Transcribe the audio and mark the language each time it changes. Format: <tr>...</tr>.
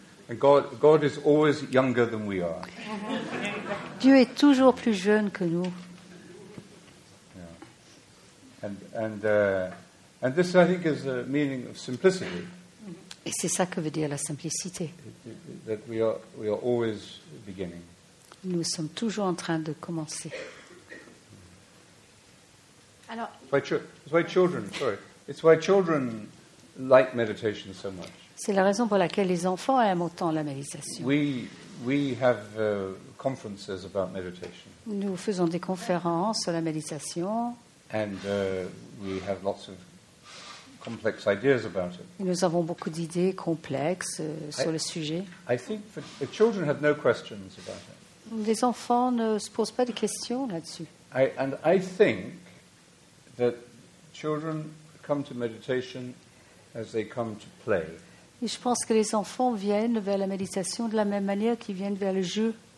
<en>And God is always younger than we are.</en> <fr>Dieu est toujours plus jeune que nous.</fr> <en>Yeah. And this, I think, is the meaning of simplicity.</en> <fr>Et c'est ça que veut dire la simplicité.</fr> <en>That we are always beginning.</en> <fr>Nous sommes toujours en train de commencer. Alors.</fr> <en>It's why children like meditation so much.</en> <fr>C'est la raison pour laquelle les enfants aiment autant la méditation.</fr> <en>We have conferences about meditation.</en> <fr>Nous faisons des conférences sur la méditation.</fr> <en>And we have lots of complex ideas about it.</en> <fr>Et nous avons beaucoup d'idées complexes sur le sujet.</fr> <en>I think the children have no questions about it.</en> <fr>Les enfants ne se posent pas de questions là-dessus.</fr> <en>I think that children come to meditation as they come to play.</en> <fr>Et je pense que les enfants viennent vers la méditation de la même manière qu'ils viennent vers le jeu.</fr>